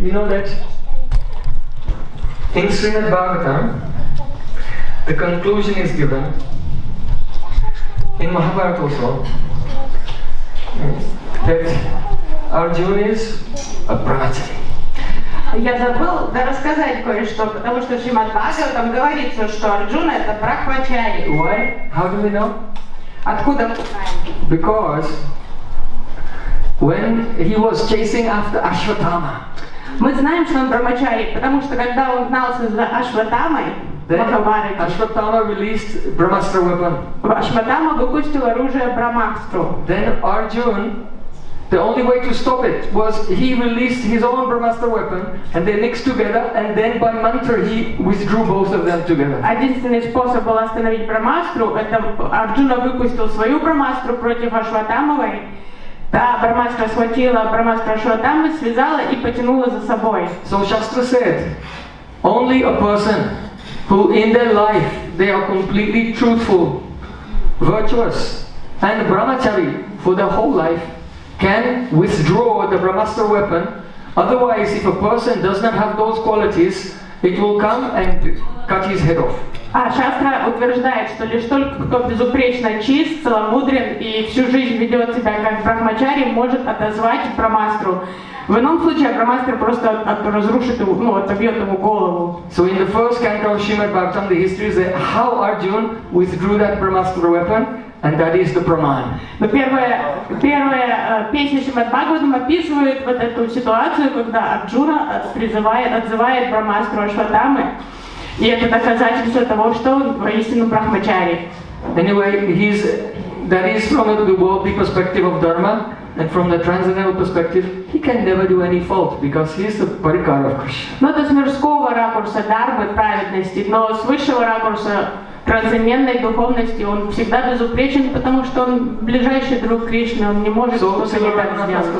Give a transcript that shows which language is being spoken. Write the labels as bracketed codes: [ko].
[en] You know that in Srimad Bhagavatam, the conclusion is given in Mahabharata also that Arjuna is a brahmachari. [ru] Я забыл рассказать кое-что, потому что в Шримад Бхагаватам говорится, что Арджуна — это брахмачари. [en] Why? How do we know? [ru] Откуда? [en] Because when he was chasing after Ashwatthama. [ru] Мы знаем, что он брахмачари, потому что когда он гнался за Ашватамой, [en] Ashwatthama released Brahmastra weapon. [ru] Ашватама выпустил оружие Брахмастру. [en] Then Arjuna, the only way to stop it was he released his own Brahmastra weapon and they mixed together, and then by mantra he withdrew both of them together. [ru] Единственный способ был остановить Брахмастру — это Арджуна выпустил свою Брахмастру против Ашватамовой, та Брахмастра схватила Брахмастру Ашватамы, связала и потянула за собой. [en] So Shastra said, only a person who in their life they are completely truthful, virtuous and brahmachari for their whole life can withdraw the Brahmastra weapon. Otherwise, if a person does not have those qualities, it will come and cut his head off. [ru] А Шастра утверждает, что лишь только кто безупречно чист, целомудрен и всю жизнь ведет себя как брахмачари, может отозвать Брахмастру. В ином случае Брахмастра просто разрушит его, ну, отобьет ему голову. [en] So in the first canto of Srimad Bhagavatam, the history is how Arjuna withdrew that Brahmastra weapon. And that is the Praman. [ru] Но первая песня Шримад Бхагаватам описывает вот эту ситуацию, когда Арджуна отзывает Брахмастру Ашватамы. И это доказательство того, что он воистину брахмачари. [en] Anyway, he's that is from the worldly perspective of Dharma and from the transcendental perspective, he can never do any fault because he is the Парикара of Krishna. [ru] Но с мирского ракурса дармы праведности, но с высшего ракурса трансцендентной духовности он всегда безупречен, потому что он ближайший друг Кришны, он не может что-то не так сделать.